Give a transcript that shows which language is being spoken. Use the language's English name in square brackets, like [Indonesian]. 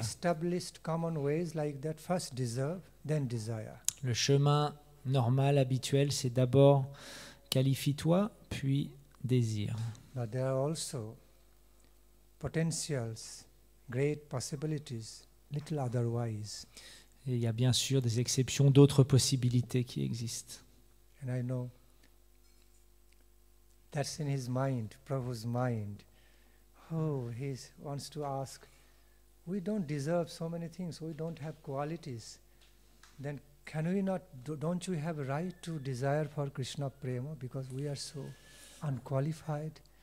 [English] Established common ways like that, first deserve, then desire. [French] Le chemin normal, habituel, c'est d'abord qualifie-toi, puis désire. [English] But there are also potentials, great possibilities, little otherwise. [French] Et il y a bien sûr des exceptions, d'autres possibilités qui existent. [English] And I know that's in his mind, Prabhu's mind. Oh, he wants to ask, we don't deserve so many things, we don't have qualities. Then can we not, don't you have a right to desire for Krishna Prema because we are so unqualified?